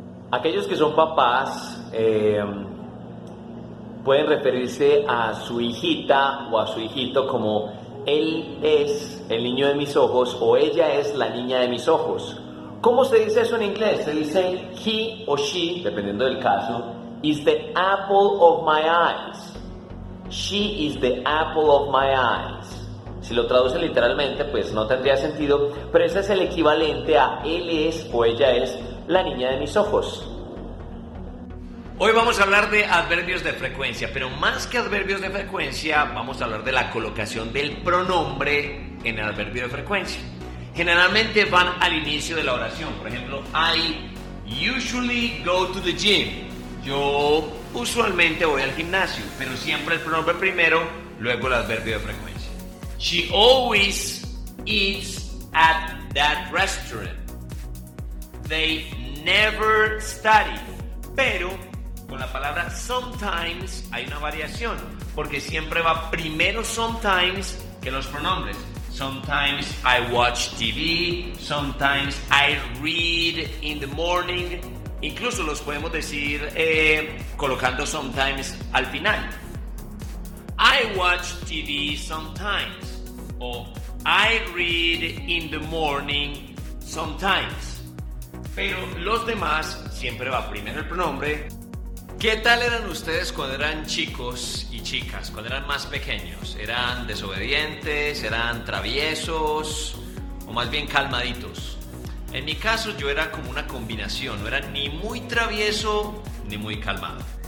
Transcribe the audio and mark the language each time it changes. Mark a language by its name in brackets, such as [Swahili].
[Spanish] Aquellos que son papás pueden referirse a su hijita o a su hijito como él es el niño de mis ojos o ella es la niña de mis ojos. ¿Cómo se dice eso en inglés? Se dice he o she, dependiendo del caso, [English] is the apple of my eyes. She is the apple of my eyes. [Spanish] Si lo traduce literalmente, pues no tendría sentido, pero ese es el equivalente a él es o ella es la niña de mis ojos. Hoy vamos a hablar de adverbios de frecuencia, pero más que adverbios de frecuencia, vamos a hablar de la colocación del pronombre en el adverbio de frecuencia. Generalmente van al inicio de la oración. Por ejemplo, [English] I usually go to the gym. [Spanish] Yo usualmente voy al gimnasio, pero siempre el pronombre primero, luego el adverbio de frecuencia. [English] She always eats at that restaurant. They never study. [Spanish] Pero con la palabra sometimes hay una variación, porque siempre va primero sometimes que los pronombres. [English] Sometimes I watch TV, sometimes I read in the morning. [Spanish] Incluso los podemos decir colocando sometimes al final. [English] I watch TV sometimes. O I read in the morning sometimes. [Spanish] Pero los demás siempre va primero el pronombre. ¿Qué tal eran ustedes cuando eran chicos y chicas, cuando eran más pequeños? ¿Eran desobedientes? ¿Eran traviesos? ¿O más bien calmaditos? En mi caso, yo era como una combinación, no era ni muy travieso ni muy calmado.